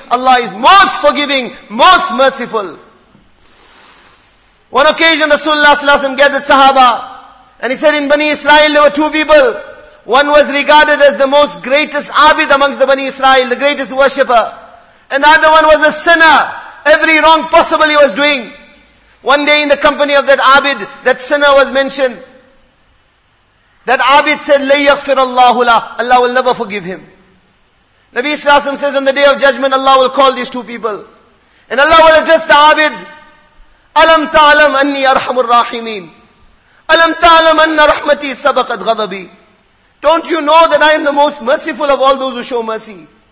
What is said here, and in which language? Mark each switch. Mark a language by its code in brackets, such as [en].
[en] Allah is most forgiving, most merciful. One occasion Rasulullah sallallahu alaihi wasallam gathered Sahaba and he said in Bani Israel there were two people. One was regarded as the most greatest abid amongst the Bani Israel, the greatest worshipper. And the other one was a sinner. Every wrong possible he was doing. One day in the company of that abid, that sinner was mentioned. [ar] That abid said, لَا يَغْفِرَ اللَّهُ لَا. [en] Allah will never forgive him. Nabi sallallahu alaihi wasallam says on the day of judgment Allah will call these two people. And Allah will address the abid. [ar] أَلَمْ تَعْلَمْ أَنِّي أَرْحَمُ الرَّاحِمِينَ أَلَمْ تَعْلَمْ أَنَّ رَحْمَتِي سَبَقَتْ غَضَبِي. [en] Don't you know that I am the most merciful of all those who show mercy?